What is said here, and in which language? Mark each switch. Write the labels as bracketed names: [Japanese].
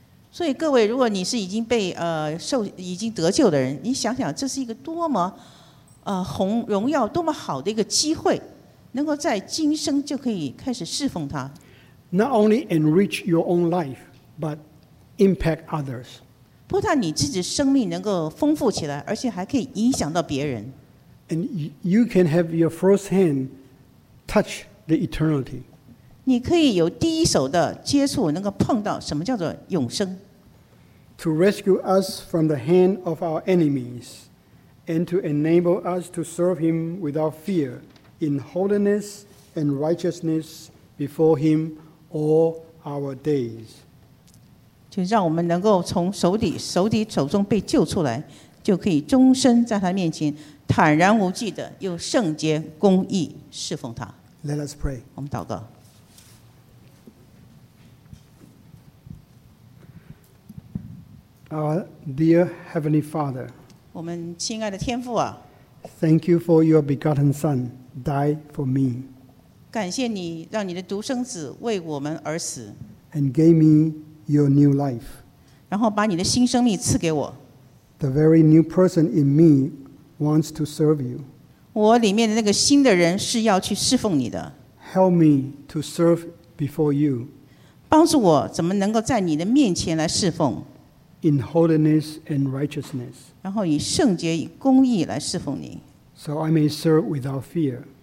[Chinese] 所以各位，如果你是已经被受已经得救的人，你想想，这是一个多么荣耀、多么好的一个机会，能够在今生就可以开始侍奉他。 [English] Not only enrich your own life, but impact others. [Chinese] 不但你自己生命能够丰富起来，而且还可以影响到别人。 [English] And you can have your first hand touch the eternity. [Chinese] 你可以有第一手的接触，能够碰到什么叫做永生。 [English] To rescue us from the hand of our enemies, and to enable us to serve Him without fear, in holiness and righteousness before Him all our days. [Chinese] 就让我们能够从仇敌手中被救出来，就可以终身在他面前坦然无惧的用圣洁公义侍奉他。 [English] Let us pray. [Chinese] 我们祷告。 [English] Our dear Heavenly Father, [Chinese] 我们亲爱的天父啊， [English] Thank you for your begotten Son, died for me. [Chinese] 感谢你让你的独生子为我们而死， [English] And gave me your new life. [Chinese] 然后把你的新生命赐给我。 [English] The very new person in me wants to serve you. [Chinese] 我里面的那个新的人是要去侍奉你的。 [English] Help me to serve before you. [Chinese] 帮助我怎么能够在你的面前来侍奉。 [English] In holiness and righteousness. [Chinese] 然后以圣洁以公义来侍奉你。 [English] So I may serve without fear.